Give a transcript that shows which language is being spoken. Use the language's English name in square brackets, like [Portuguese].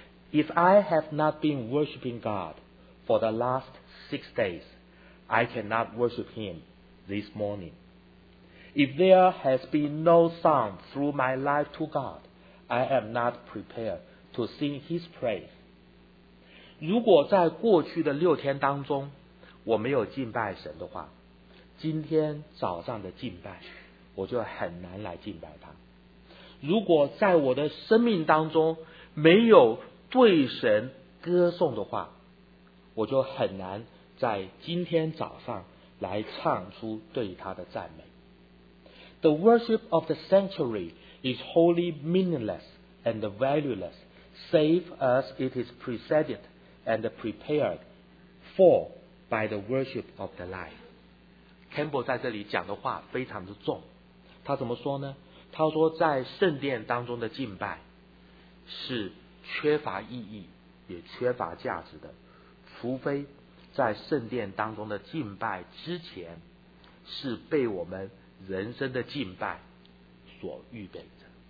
[English] If I have not been worshipping God for the last 6 days, I cannot worship him this morning. If there has been no sound through my life to God, I am not prepared to sing his praise. [Chinese] 如果在过去的六天当中我没有敬拜神的话，今天早上的敬拜我就很难来敬拜他。如果在我的生命当中没有对神歌颂的话，我就很难在今天早上来唱出对他的赞美。 [English] The worship of the sanctuary is wholly meaningless and valueless save as it is preceded and prepared for by the worship of the life。 [Chinese] Campbell 在这里讲的话非常的重，他怎么说呢？他说在圣殿当中的敬拜是缺乏意义也缺乏价值的，除非在圣殿当中的敬拜之前是被我们人生的敬拜所预备着。